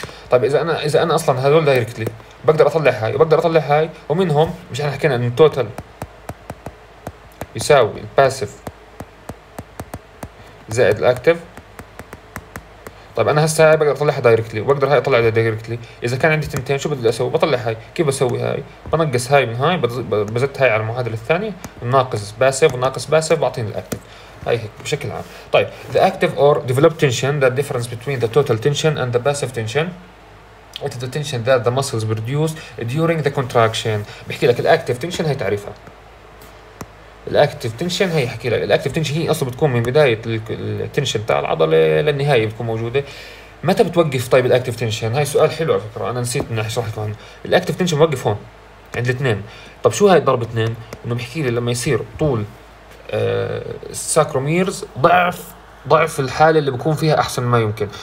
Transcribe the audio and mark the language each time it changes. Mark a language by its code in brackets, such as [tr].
[ar] طيب اذا انا اصلا هذول دايركتلي بقدر اطلع هاي وبقدر اطلع هاي، ومنهم مش احنا حكينا ان التوتال يساوي الباسيف زائد الاكتف. طيب انا هسه هاي بقدر اطلعها دايركتلي وبقدر هاي اطلعها دايركتلي. اذا كان عندي تنتين شو بدي اسوي؟ بطلع هاي. كيف بسوي هاي؟ بنقص هاي من هاي، بزت هاي على المعادله الثانيه، ناقص باسيف وناقص باسيف بعطيني الاكتف. هاي هيك بشكل عام. [en] طيب the active or developed tension that difference between the total tension and the passive tension is the tension that the muscles produce during the contraction. [ar] بحكي لك الاكتف تنشن هي تعريفها. الاكتف تنشن هي حكي لك الاكتف تنشن هي اصلا بتكون من بدايه التنشن تاع العضله للنهايه بتكون موجوده. متى بتوقف طيب الاكتف تنشن؟ هاي سؤال حلو على فكره، انا نسيت اني اشرح لكم. الاكتف تنشن بوقف هون عند الاثنين. طب شو هاي ضرب اثنين؟ انه بحكي لي لما يصير طول الساكروميرز ضعف الحاله اللي بكون فيها احسن ما يمكن.